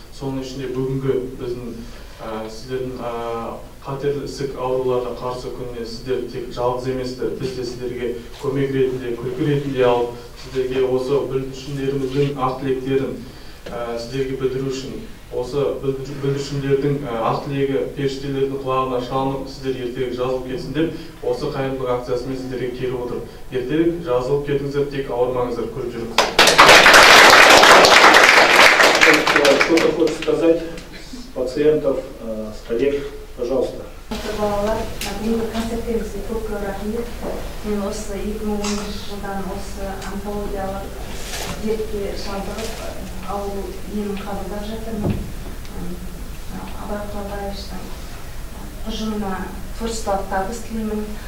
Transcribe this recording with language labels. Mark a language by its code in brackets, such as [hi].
[kk] Соның ішінде бүгінгі біздің сіздердің қатерлі ісік ауруларына қарсы күніне сіздер тек жалғыз емессіздер, біз де сіздерге көмек ретінде, күлкі ретінде алып, сіздерге осы бүлдіршіндеріміздің ақ тілектерін сіздерге білдіру үшін осы бүлдіршіндердің ақ тілегі періштелердің құлағына шалынып, сіздер ертерек жазылып кетсін деп осы қайырымдылық акциясымен сіздерге келіп отыр. Ертерек жазылып кетіңіздер, тек ауырмаңыздар, көріп жүріңіз. [ru] Что-то хочу сказать пациентов, с коллег, пожалуйста. [kk] Балалар, бүгінгі концерттеріңізге көп көп рахмет. Мен осы 2010 жылдан осы онкологиялық дертке шалдығып, ауру емін қабылдап жатырмын. Абай Құлабаевичтің ұжымына творчествалық табыс тілеймін.